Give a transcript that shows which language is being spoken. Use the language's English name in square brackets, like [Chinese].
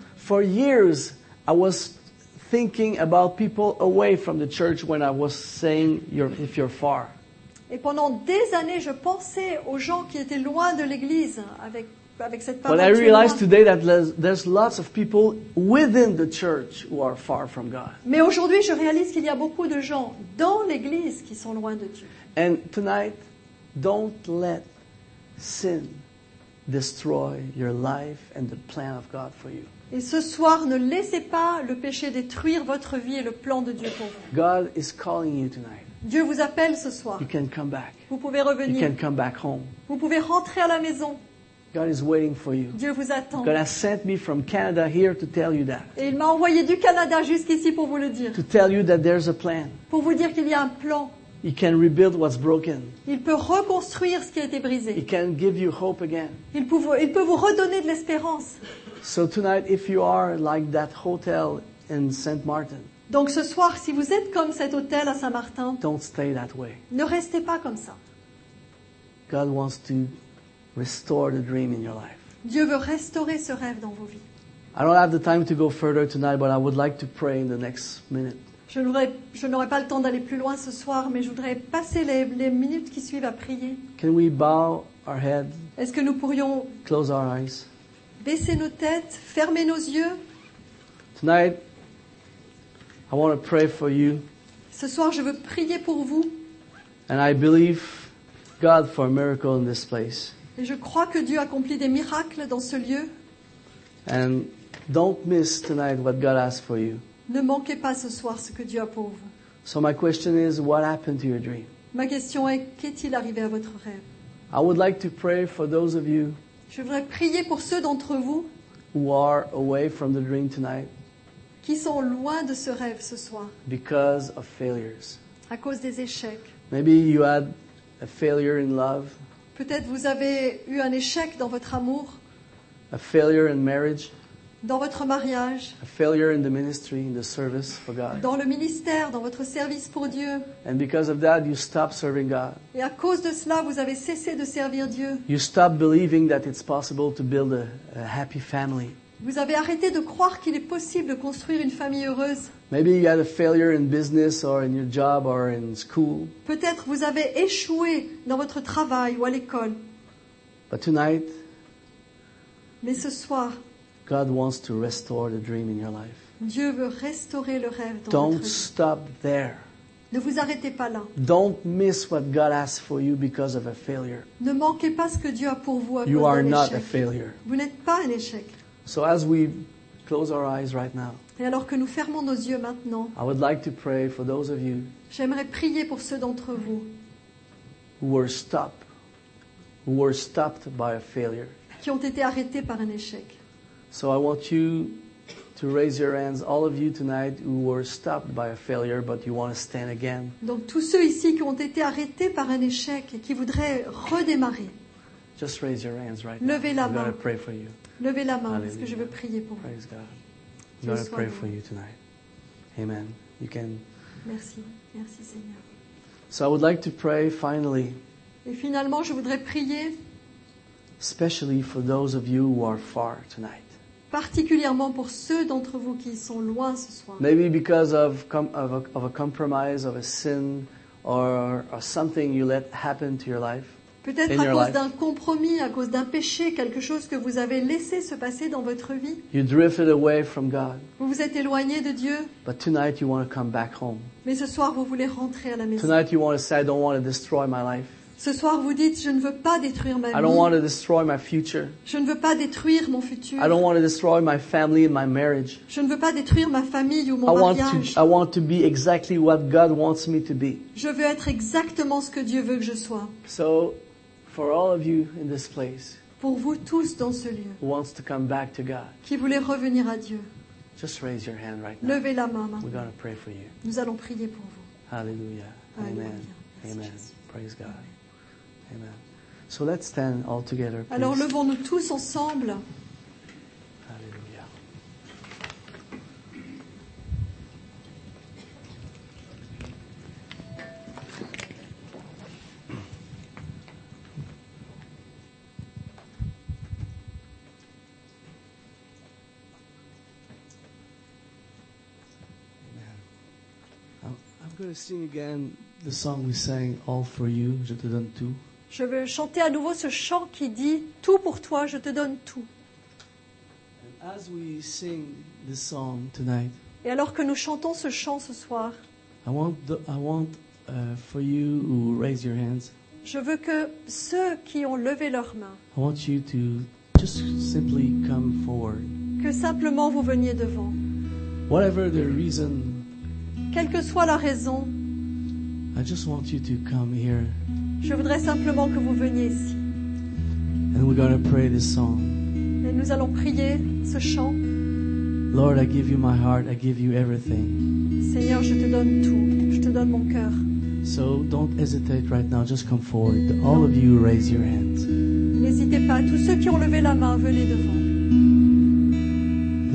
[English] For years I was thinking about people away from the church when I was saying if you're far. [French] Et pendant des années, je pensais aux gens qui étaient loin de l'église avec cette parole. [English] But I realized today that there's lots of people within the church who are far from God. [French] Mais aujourd'hui, je réalise qu'il y a beaucoup de gens dans l'église qui sont loin de Dieu. [English] And tonight, don't let sin destroy your life and the plan of God for you. [French] Et ce soir, ne laissez pas le péché détruire votre vie et le plan de Dieu pour vous. [English] God is calling you tonight. [French] Dieu vous appelle ce soir. [English] You can come back. [French] Vous pouvez revenir. [English] You can come back home. [French] Vous pouvez rentrer à la maison. [English] God is waiting for you. [French] Dieu vous attend. [English] God has sent me from Canada here to tell you that. [French] Et il m'a envoyé du Canada jusqu'ici pour vous le dire. [English] To tell you that there's a plan. [French] Pour vous dire qu'il y a un plan. [English] He can rebuild what's broken. [French] Il peut reconstruire ce qui a été brisé. [English] He can give you hope again. [French] Il peut vous redonner de l'espérance. [English] So tonight, if you are like that hotel in Saint Martin. [French] Donc ce soir, si vous êtes comme cet hôtel à Saint-Martin, [English] don't stay that way. [French] Ne restez pas comme ça. [English] God wants to restore the dream in your life. [French] Dieu veut restaurer ce rêve dans vos vies. [English] I don't have the time to go further tonight, but I would like to pray in the next minute. [French] Je n'aurai pas le temps d'aller plus loin ce soir, mais je voudrais passer les minutes qui suivent à prier. [English] Can we bow our head? [French] Est-ce que nous pourrions [English] close our eyes? [French] Baisser nos têtes, fermer nos yeux. [English] Tonight, I want to pray for you. [French] Ce soir, je veux prier pour vous. [English] And I believe God for a miracle in this place. [French] Et je crois que Dieu accomplit des miracles dans ce lieu. [English] And don't miss tonight what God has for you. [French] Ne manquez pas ce soir ce que Dieu a pour vous. [English] So my question is, what happened to your dream? [French] Ma question est, qu'est-il arrivé à votre rêve? [English] I would like to pray for those of you. [French] Je voudrais prier pour ceux d'entre vous. [English] Who are away from the dream tonight? [French] Qui sont loin de ce rêve ce soir? [English] Because of failures. [French] À cause des échecs. [English] Maybe you had a failure in love. [French] Peut-être vous avez eu un échec dans votre amour. [English] A failure in marriage. [French] Dans votre mariage. [English] A failure in the ministry, in the service for God. [French] Dans le ministère, dans votre service pour Dieu. [English] And because of that, you stop serving God. [French] Et à cause de cela, vous avez cessé de servir Dieu. [English] You stop believing that it's possible to build a happy family. [French] Vous avez arrêté de croire qu'il est possible de construire une famille heureuse. [English] Maybe you had a failure in business or in your job or in school. [French] Peut-être vous avez échoué dans votre travail ou à l'école. [English] But tonight. [French] Mais ce soir. [English] God wants to restore the dream in your life. [French] Dieu veut restaurer le rêve dans [English] Don't [French] votre vie. [English] Stop there. [French] Ne vous arrêtez pas là. [English] Don't miss what God has for you because of a failure. [French] Ne manquez pas ce que Dieu a pour vous à [English] you [French] cause [English] are [French] d'un [English] not [French] échec. [English] A failure. [French] Vous n'êtes pas un échec. [English] So as we close our eyes right now. [French] Et alors que nous fermons nos yeux maintenant. [English] I would like to pray for those of you. [French] J'aimerais prier pour ceux d'entre vous. [English] Who were stopped by a failure. [French] Qui ont été arrêtés par un échec. [English] So I want you to raise your hands, all of you tonight who were stopped by a failure, but you want to stand again. [French] Donc tous ceux ici qui ont été arrêtés par un échec et qui voudraient redémarrer. [English] Just raise your hands right [French] now. Levez la main. [English] I'm going to pray for you. [French] Levez la main, Alleluia. Parce que je veux prier pour [English] Praise [French] vous. [English] Praise God. I'm going to pray for you tonight. Amen. You can. [French] Merci. Merci Seigneur. [English] So I would like to pray finally. [French] Et finalement, je voudrais prier. [English] Especially for those of you who are far tonight. [French] Particulièrement pour ceux d'entre vous qui sont loin ce soir. [English] Maybe because of a compromise, of a sin, or something you let happen to your life. [French] Peut-être à cause d'un compromis, à cause d'un péché, quelque chose que vous avez laissé se passer dans votre vie. [English] You drifted away from God. [French] Vous vous êtes éloigné de Dieu. [English] But tonight you want to come back home. [French] Mais ce soir vous voulez rentrer à la maison. [English] Tonight you want to say, I don't want to destroy my life. [French] Ce soir, vous dites, je ne veux pas détruire ma vie. [English] I don't want to destroy my future. [French] Je ne veux pas détruire mon futur. [English] I don't want to destroy my family and my marriage. [French] Je ne veux pas détruire ma famille ou mon [English] mariage. I want to be exactly what God wants me to be. [French] Je veux être exactement ce que Dieu veut que je sois. [English] So, for all of you in this place, [French] pour vous tous dans ce lieu, [English] who wants to come back to God, [French] qui voulait revenir à Dieu, [English] just raise your hand right now. [French] Levez la main. [English] We're going to pray for you. [French] Nous allons prier pour vous. Hallelujah. Amen. [English] Amen. Praise God. Amen. Amen. So let's stand all together, please. [French] Alors levons-nous tous ensemble. Alléluia. Amen. [English] I'm going to sing again the song we sang, All for You. [French] Je te donne tout. Je veux chanter à nouveau ce chant qui dit « Tout pour toi, je te donne tout ». [English] As we sing this song tonight, [French] et alors que nous chantons ce chant ce soir, [English] for you who raise your hands, [French] je veux que ceux qui ont levé leurs mains, [English] I want you to just simply come forward. [French] Que simplement vous veniez devant. [English] Whatever the reason, [French] quelle que soit la raison, [English] I just want you to come here. [French] Je voudrais simplement que vous veniez ici. [English] And we're going to pray this song. [French] Et nous allons prier ce chant. [English] Lord, I give you my heart, I give you everything. [French] Seigneur, je te donne tout, je te donne mon cœur. [English] So don't hesitate right now, just come forward. All of you raise your hands. [French] N'hésitez pas, tous ceux qui ont levé la main, venez devant.